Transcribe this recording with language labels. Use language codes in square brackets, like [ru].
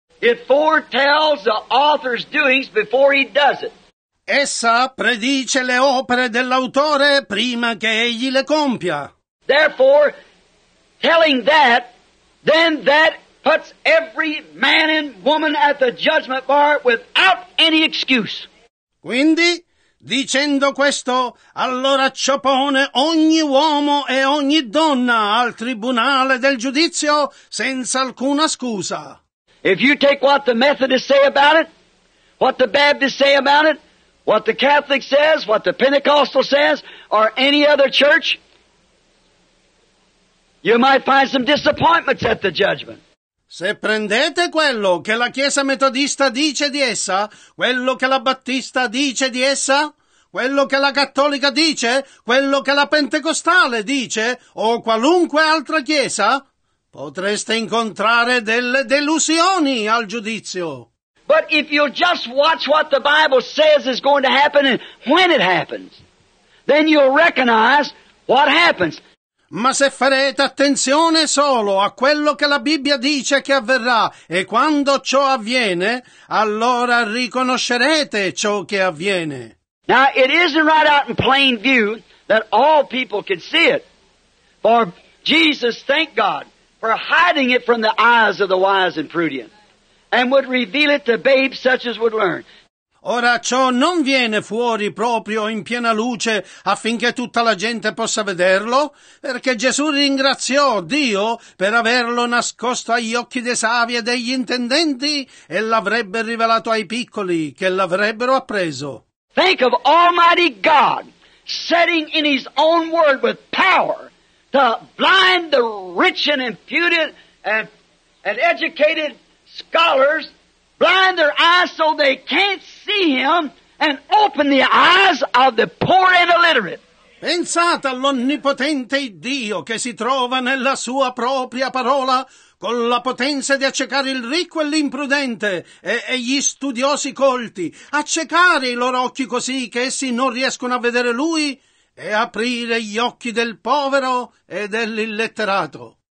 [en] It foretells the author's doings before he does it. [it] Essa predice le opere dell'autore prima che egli le compia. [en] Therefore, telling that, then that puts every man and woman at the judgment bar without any excuse. [it] Quindi, dicendo questo, allora ciò pone ogni uomo e ogni donna al tribunale del giudizio senza alcuna scusa. [en] If you take what the Methodists say about it, what the Baptists say about it, what the Catholic says, what the Pentecostal says, or any other church, you might find some disappointments at the judgment. [it] Se prendete quello che la Chiesa Metodista dice di essa, quello che la Battista dice di essa, quello che la Cattolica dice, quello che la Pentecostale dice, o qualunque altra Chiesa, potreste incontrare delle delusioni al giudizio. [en] But if you'll just watch what the Bible says is going to happen and when it happens, then you'll recognize what happens. [it] Ma se farete attenzione solo a quello che la Bibbia dice che avverrà e quando ciò avviene, allora riconoscerete ciò che avviene. [en] Now, it isn't right out in plain view that all people could see it. For Jesus, thank God, for hiding it from the eyes of the wise and prudent, and would reveal it to babes such as would learn. [it] Ora ciò non viene fuori proprio in piena luce affinché tutta la gente possa vederlo, perché Gesù ringraziò Dio per averlo nascosto agli occhi dei savi e degli intendenti e l'avrebbe rivelato ai piccoli che l'avrebbero appreso. [en] Think of Almighty God setting in His own word with power to blind the rich and impudent and educated scholars, blind their eyes so they can't see Him and open the eyes of the poor and illiterate. [it] Pensate all'Onnipotente Dio che si trova nella Sua propria parola con la potenza di accecare il ricco e l'imprudente e gli studiosi colti, accecare i loro occhi così che essi non riescono a vedere Lui e aprire gli occhi del povero e dell'illetterato.